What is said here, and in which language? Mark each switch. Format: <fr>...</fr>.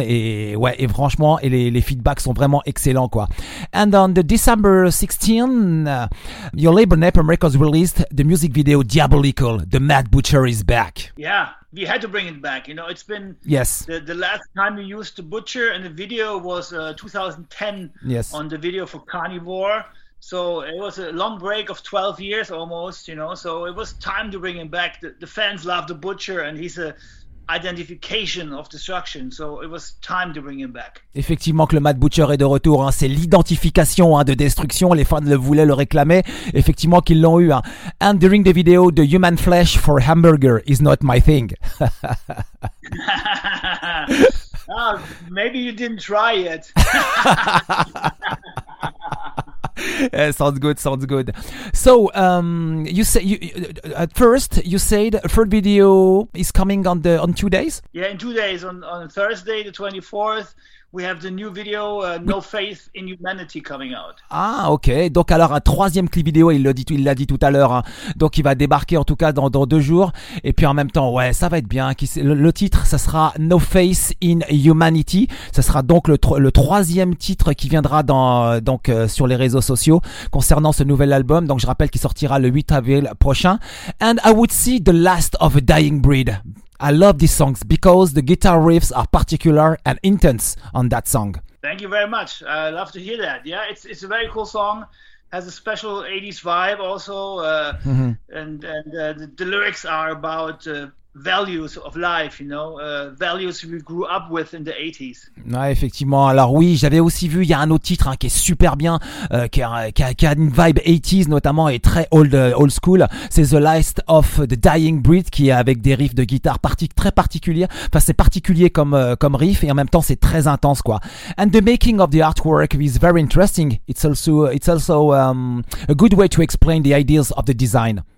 <fr>Et ouais, et franchement, et les feedbacks sont vraiment excellents quoi.</fr> <en>And on the December 16, your label Napalm Records released the music video Diabolical, The Mad Butcher is back. Yeah, we had to bring it back. You know, it's been the last time we used The Butcher and the video was 2010 on the video for Carnivore. So it was a long break of 12 years almost, you know, so it was time to bring him back. The fans love The Butcher and he's a identification of Destruction, so it was time to bring him back.</en> <fr>Effectivement que le Mad Butcher est de retour, hein, c'est l'identification hein, de Destruction, les fans le voulaient, le réclamaient, effectivement qu'ils l'ont eu. Hein.</fr> <en>And during the video, the human flesh for hamburger is not my thing. maybe you didn't try it. Yeah, sounds good. So you say third video is coming on 2 days. Yeah, in 2 days on Thursday the 24th we have the new video No Faith in Humanity coming out.</en> <fr>Ah ok, donc alors un troisième clip vidéo, il l'a dit tout à l'heure hein. Donc il va débarquer en tout cas dans 2 jours et puis en même temps ouais ça va être bien. Le titre ça sera No Faith in Humanity, ça sera donc le troisième titre qui viendra sur les réseaux sociaux concernant ce nouvel album. Donc je rappelle qu'il sortira le 8 avril prochain.</fr> <en>And I would see The Last of a Dying Breed. I love these songs because the guitar riffs are particular and intense on that song. Thank you very much. I love to hear that. Yeah, it's a very cool song. Has a special 80s vibe also. And the lyrics are about values of life, you know, values we grew up with in the 80s.</en> <fr>Ouais, effectivement. Alors oui, j'avais aussi vu, il y a un autre titre hein, qui est super bien, qui a une vibe 80s notamment et très old school. C'est The Last of the Dying Breed qui est avec des riffs de guitare très particuliers. Enfin, c'est particulier comme riff et en même temps, c'est très intense, quoi.</fr> <en>And the making of the artwork is very interesting. It's also a good way to explain the ideas of the design.</en>